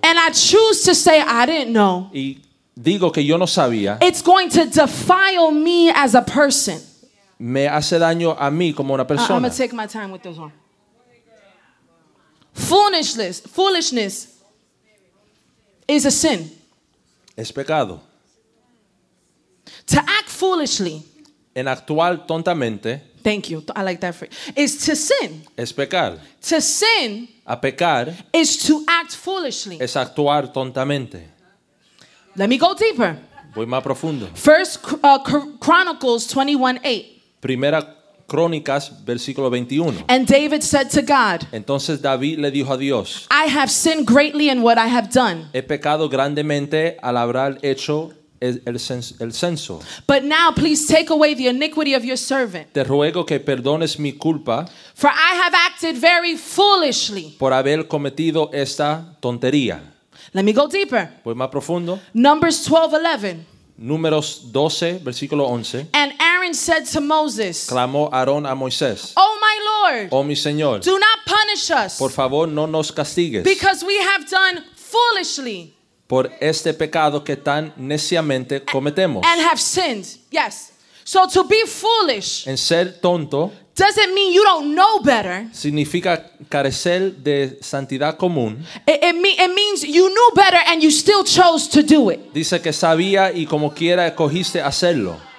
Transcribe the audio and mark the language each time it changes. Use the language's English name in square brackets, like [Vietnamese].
[English] And I choose to say I didn't know. [Spanish] Y digo que yo no sabía. [English] It's going to defile me as a person. [Spanish] Me hace daño a mí como una persona. I'm gonna take my time with this one. [English] Foolishness is a sin. [Spanish] Es pecado. [English] To act foolishly. [Spanish] En actuar tontamente. [English] Thank you. I like that phrase. Is to sin. [Spanish] Es pecar. [English] To sin. [Spanish] A pecar. [English] Is to act foolishly. [Spanish] Es actuar tontamente. [English] Let me go deeper. [Spanish] Voy más profundo. [English] First Chronicles 21:8. [Spanish] Primera Crónicas, versículo 21. [English] And David said to God, [Spanish] entonces David le dijo a Dios, [English] I have sinned greatly in what I have done. [Spanish] He pecado grandemente al haber hecho el censo. [English] But now please take away the iniquity of your servant. [Spanish] Te ruego que perdones mi culpa. [English] For I have acted very foolishly. [Spanish] Por haber cometido esta tontería. [English] Let me go deeper. [Spanish] Voy más profundo. [English] Numbers 12:11. [Spanish] Números 12, versículo 11. [English] And Aaron said to Moses, [Spanish] clamó Aarón a Moisés, [English] oh my Lord, [Spanish] oh mi Señor, [English] do not punish us, [Spanish] por favor no nos castigues, [English] because we have done foolishly, [Spanish] por este pecado que tan neciamente cometemos, [English] and have sinned. Yes. So to be foolish, [Spanish] en ser tonto, [English] doesn't mean you don't know better. [Spanish] Significa carecer de santidad común. [English] It means you knew better and you still chose to do it. [Spanish] Dice que sabía y como quiera escogiste hacerlo.